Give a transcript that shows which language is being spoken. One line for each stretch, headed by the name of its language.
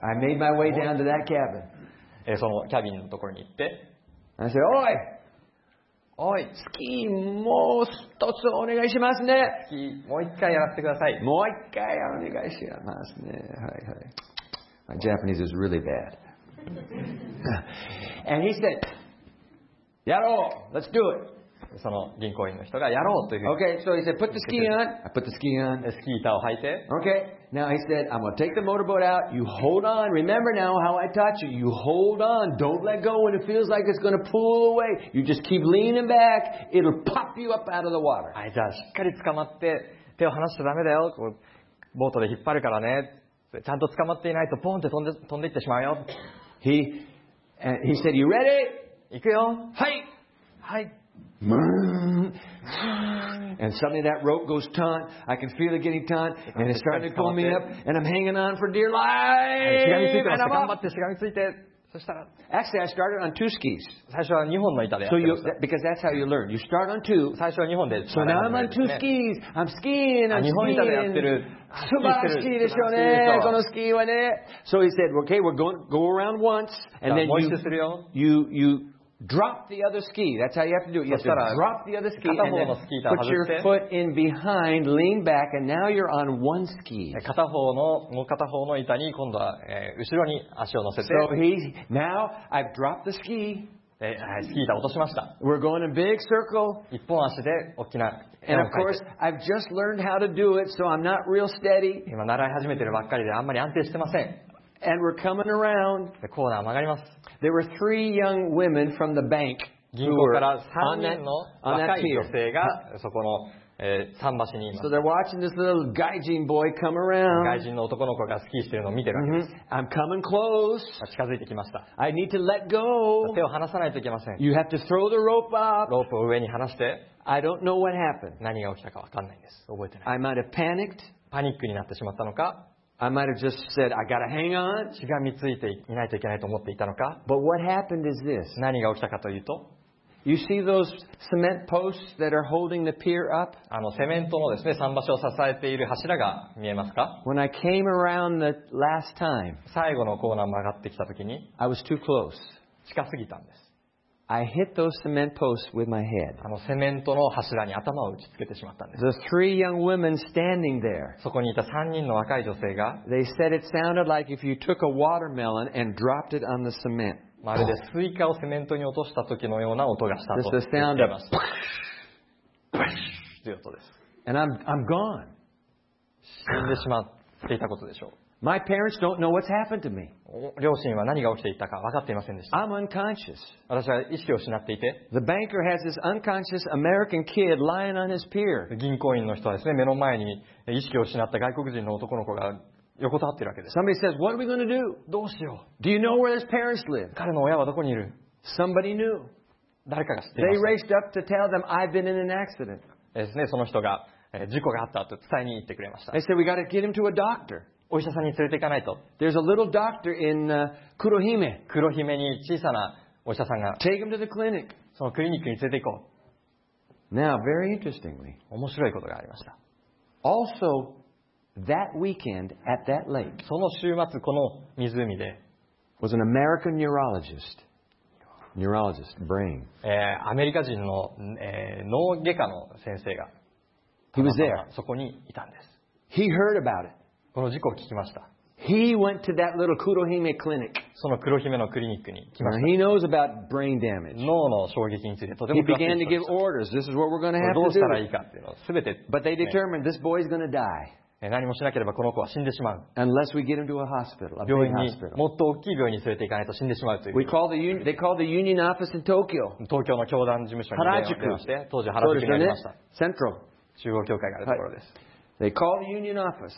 English: I made my way down to that cabin.
Japanese: そのキャビンのところに行って。
English: I said, oi! Oi!
Japanese: スキーもう一つお願いしますね。スキーもう一回やらせてください。もう一回お願いしますね。はいはい。
English: My Japanese is really bad. And he said,
Japanese: やろう
English: !Let's do it!
Japanese: その銀行員の人がやろうというふうに。
English: Okay, so he said, put the ski on. I put the ski on.
Japanese: スキー板を履いて。
English: Okay, now he said, I'm going to take the motorboat out. You hold on. Remember now how I taught you. You hold on. Don't let go when it feels like it's going to pull away. You just keep leaning back. It'll pop you up out of the water.
Japanese: はい、じゃあしっかり捕まって手を離しちゃダメだよ。こうボートで引っ張るからね。ちゃんと捕まっていないとポンって飛んでいってしまうよ。
English: He said, you ready?
Japanese: 行くよ。はい。はい。
English: And suddenly that rope goes taut. I can feel it getting taut, and it's starting to pull me up. And I'm hanging on for dear life.
Japanese: しがみついて、頑張ってしがみついて。そしたら、
English: actually I started on two skis.
Japanese: 最初は2本の板でやってました。
English: So you, because that's how you learn. You start on two.
Japanese: 最初は2本で。
English: So now I'm on two skis. I'm skiing. I'm skiing.
Japanese: 2本板でやってる。素晴らしいでしょうね。このスキーはね。
English: So he said, okay, we're going go around once, and then you. Drop the other ski. That's how you have to do it. You have to drop the other ski and then put your foot in behind, lean back, and now you're on one ski.
Japanese: 片方のもう片方の板に今度は、後ろに足を乗せて。
English: So he now I've dropped the ski.
Japanese: スキー板落としました。
English: We're going in big circle.
Japanese: 一本足で大きな。
English: And of course, I've just learned how to do it, so I'm not real steady.
Japanese: 今習い始めてるばっかりであんまり安定してません。
English: And we're coming around.
Japanese: でコーナー曲がります。
English: There were three young women from the bank.
Japanese: 銀行から3人の若い女性がそこの桟橋にいます。
English: So they're watching this little gaijin boy come around.
Japanese: 外人の男の子がスキーしてるのを見てるわけです。
English: I'm coming close.
Japanese: 近づいてきました。
English: I need to let go.
Japanese: 手を離さないといけません。
English: You have to throw the rope up.
Japanese: ロープを上に離して。
English: I don't know what happened.
Japanese: 何が起きたかわかんないんです。覚えてない。
English: I might have panicked.
Japanese: パニックになってしまったのか。
English: I might have just said, I gotta hang on.
Japanese: しがみついていないといけないと思っていたのか。
English: But what happened is this.
Japanese: 何が起きたかというと。
English: You see those cement posts that are holding the pier up?
Japanese: あのセメントのですね、桟橋を支えている柱が見えますか?
English: When I came around the last time,
Japanese: 最後のコーナー曲がってきたときに、
English: I was too close.
Japanese: 近すぎたんです。
English: I hit those cement posts with my head.
Japanese: あのセメントの柱に頭を打ちつけてしまったんです。
English: The three young women standing there.
Japanese: そこにいた3人の若い女性が。
English: They said it sounded like if you took a watermelon and dropped it on the cement.
Japanese: まるでスイカをセメントに落とした時のような音がしたと。
English: This is the sound of push, push
Japanese: という音です。
English: And I'm gone.
Japanese: 死んでしまっていたことでしょう。
English: My parents don't know what's happened to me.
Japanese: 両親は何が起きていたか分かっていませんでした。
English: I'm unconscious.
Japanese: 私は意識を失っていて。
English: The banker has this unconscious American kid lying on his pier.
Japanese: 銀行員の人はですね、目の前に意識を失った外国人の男の子が横たわっているわけです。
English: Somebody says, what are we going to do?
Japanese: どうしよう。
English: Do you know where his parents live?
Japanese: 彼の親はどこにいる?
English: Somebody knew.
Japanese: 誰かが知っていました
English: They raced up to tell them, I've been in an accident.
Japanese: ですね、その人が事故があったと伝えに行ってくれました。
English: They said, we got to get him to a doctor.
Japanese: お医者さんに連れて行かないと。
English: There's a little doctor in Kurohime.
Japanese: 黒姫に小さなお医者さんが。
English: Take him to the clinic.
Japanese: そのクリニックに連れて行こう。
English: Now, very interestingly,
Japanese: 面白いことがありました。
English: Also, that weekend at that lake,
Japanese: その週末この湖で、
English: was an American neurologist. Neurologist, brain.
Japanese: アメリカ人の、脳外科の先生が、 he was there. そこにいたんです。
English: He heard about it.
Japanese: この事故を聞きました。
English: He went to that little Kurohime clinic.
Japanese: その黒姫のクリニックに来ました。
English: He knows about brain damage.
Japanese: 脳の衝撃についてとても詳しい人でした。
English: He began to give orders. This is what we're going to have to do. But they determined this boy is going to die.
Japanese: 何もしなければこの子は死んでしまう。
English: Unless we get him to a hospital, a big hospital.
Japanese: もっと大きい病院に連れて行かないと死んでしまうという。
English: They called the union office in Tokyo.
Japanese: 東京の教団事務所に電話をして、当時原宿にありました。
English: Central.
Japanese: 中央教会があるところです。
English: They called the union office.